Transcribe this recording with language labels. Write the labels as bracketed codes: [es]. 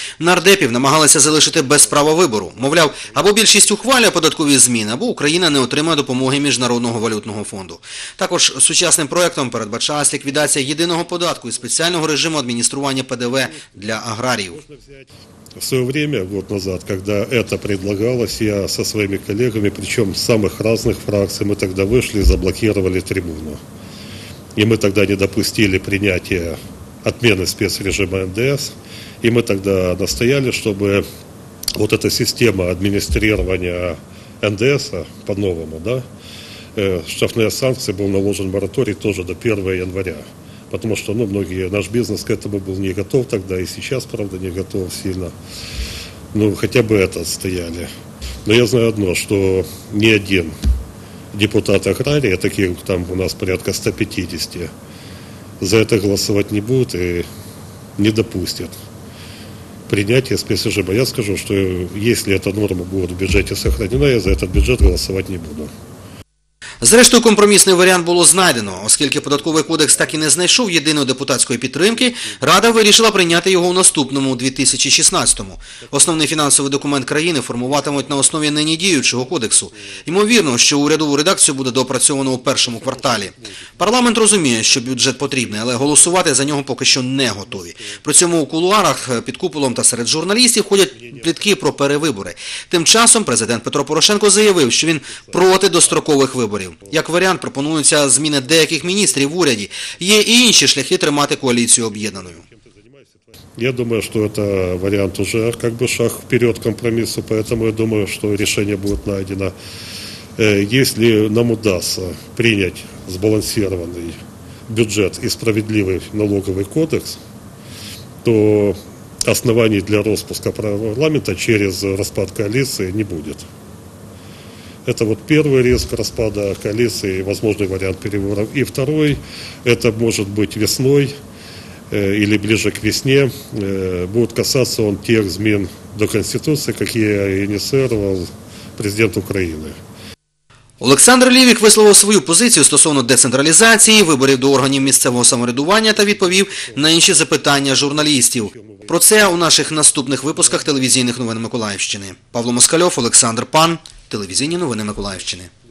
[uk] Нардепів намагалися залишити без права вибору. Мовляв, або більшість ухвалює податкові зміни, або Україна не отримає допомоги Міжнародного валютного фонду. Також сучасним проєктом передбачалася ліквідація єдиного податку і спеціального режиму адміністрування ПДВ для аграріїв. [ru] В своє время, год назад, когда это предлагалось, я со своими коллегами, причем с самых разных фракций, мы тогда вышли и заблокировали трибуну. И мы тогда не допустили принятия отмены спецрежима НДС. И мы тогда настояли, чтобы вот эта система администрирования НДС по-новому, да, штрафные санкции был наложен мораторий тоже до 1 января, потому что ну, многие, наш бизнес к этому был не готов тогда и сейчас, правда, не готов сильно. Ну, хотя бы это отстояли. Но я знаю одно, что ни один депутат аграрии, таких там у нас порядка 150, за это голосовать не будет и не допустят принятия спецрежима. Я скажу, что если эта норма будет в бюджете сохранена, я за этот бюджет голосовать не буду. [uk] Зрештою, компромісний варіант було знайдено. Оскільки податковий кодекс так і не знайшов єдиної депутатської підтримки, Рада вирішила прийняти його у наступному, 2016-му. Основний фінансовий документ країни формуватимуть на основі нині діючого кодексу. Ймовірно, що урядову редакцію буде доопрацьовано у першому кварталі. Парламент розуміє, що бюджет потрібний, але голосувати за нього поки що не готові. При цьому у кулуарах, під куполом та серед журналістів ходять плітки про перевибори. Тим часом президент Петро Порошенко заявив, що він проти дострокових виборів. Як варіант, пропонуються зміни деяких міністрів в уряді. Є і інші шляхи тримати коаліцію об'єднаною. [ru] Я думаю, что это вариант уже как бы шаг вперед к компромиссу, поэтому я думаю, что решение будет найдено. Если нам удастся принять сбалансированный бюджет и справедливый налоговый кодекс, то оснований для распуска парламента через распад коалиции не будет. Это вот первый риск распада коалиции и возможный вариант переворотов. И второй, это может быть весной или ближе к весне, будет касаться он тех змін до Конституции, какие инициировал президент Украины. [uk] Олександр Лівік висловив свою позицію стосовно децентралізації, виборів до органів місцевого самоврядування та відповів на інші запитання журналістів. Про це у наших наступних випусках телевізійних новин Миколаївщини. Павло Москальов, Олександр Пан, телевізійні новини Миколаївщини.